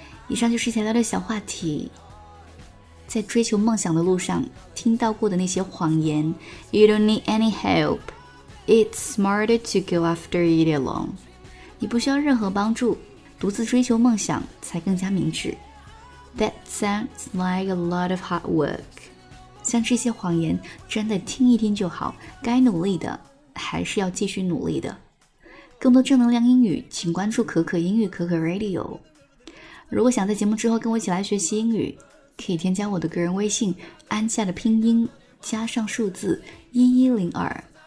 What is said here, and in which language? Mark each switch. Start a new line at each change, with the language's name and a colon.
Chinese: 以上就是材料的小话题，在追求梦想的路上听到过的那些谎言。
English: You don't need any help. It's smarter to go after it alone.
Chinese: 你不需要任何帮助，独自追求梦想才更加明智。
English: That sounds like a lot of hard work.
Chinese: 像这些谎言，真的听一听就好，该努力的还是要继续努力的。更多正能量英语，请关注可可英语可可 Radio。如果想在节目之后跟我一起来学习英语，可以添加我的个人微信，安夏的拼音，加上数字1102。